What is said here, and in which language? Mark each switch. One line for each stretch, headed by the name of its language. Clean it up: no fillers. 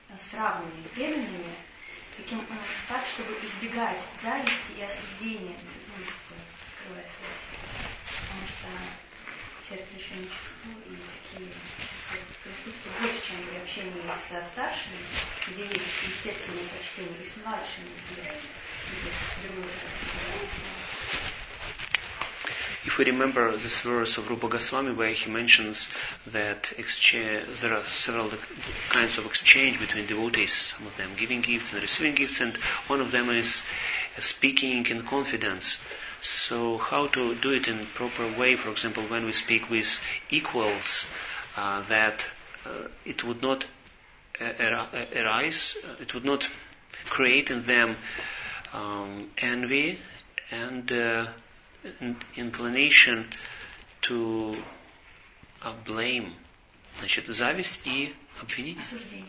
Russian: Сравнивание преданными, так, чтобы избегать зависти и осуждения, скрывая слезы, потому что сердце еще не чисто, и такие присутствуют больше, чем при общении со старшими, где есть естественное почтение, и с младшими, где есть другое.
English: If we remember this verse of Rupa Goswami where he mentions that there are several kinds of exchange between devotees, some of them giving gifts and receiving gifts, and one of them is speaking in confidence. So how to do it in proper way, for example, when we speak with equals, that it would not arise, it would not create in them envy and inclination to blame.
Russian: Значит, зависть и обвинение.